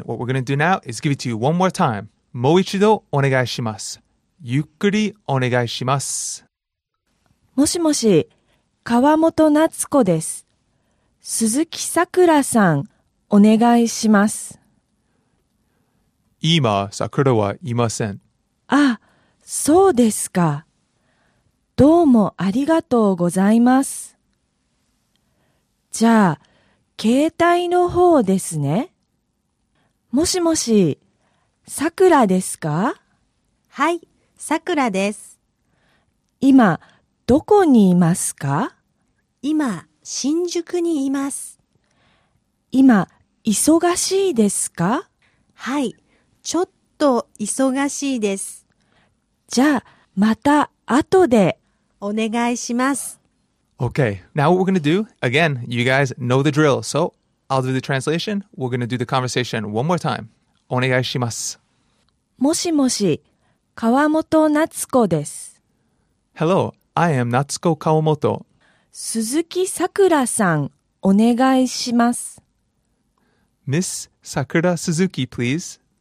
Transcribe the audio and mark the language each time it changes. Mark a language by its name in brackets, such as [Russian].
[English] What we're gonna do now is give it to you one more time. [Japanese] もう一度お願いします。ゆっくりお願いします。もしもし、川本夏子です。鈴木さくらさん、お願いします。今、さくらはいません。あ、そうですか。どうもありがとうございます。じゃあ、携帯の方ですね。もしもし、さくらですか？はい、さくらです。今、どこにいますか？今、新宿にいます。今、忙しいですか？はい、ちょっと忙しいです。じゃあ、また後で。お願いします。 [English] Okay, now what we're gonna do, again, you guys know the drill. So, I'll do the translation. We're gonna do the conversation one more time. [Japanese] お願いします。もしもし、川本夏子です。 [English] Hello, I am 夏子Kawamoto. [Japanese] 鈴木さくらさん、お願いします。 [English] Miss Sakura Suzuki, please.